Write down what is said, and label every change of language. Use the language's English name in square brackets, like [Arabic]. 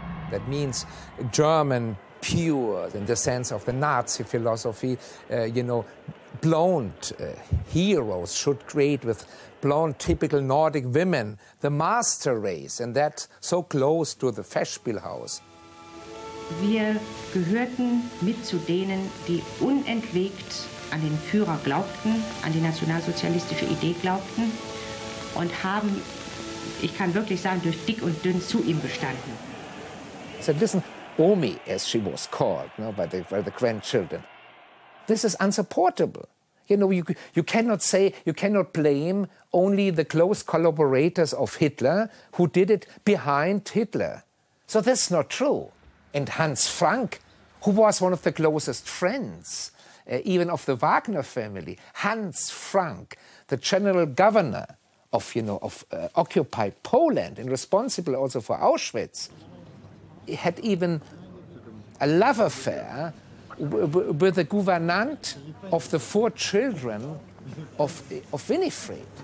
[English] That means German pure in the sense of the Nazi philosophy, you know, blonde heroes should create with blonde typical Nordic women the master race, and that so close to the Festspielhaus. [German] Wir gehörten mit zu denen, die unentwegt an den Führer glaubten, an die nationalsozialistische Idee glaubten und haben, ich kann wirklich sagen, durch dick und dünn zu ihm gestanden. [English] So listen, Omi, as she was called, you know, by the grandchildren, this is unsupportable. You know, you cannot say, you cannot blame only the close collaborators of Hitler who did it behind Hitler. So that's not true. And Hans Frank, who was one of the closest friends, even of the Wagner family, Hans Frank, the general governor of, you know, of occupied Poland and responsible also for Auschwitz, had even a love affair with the gouvernante of the four children of Winifred.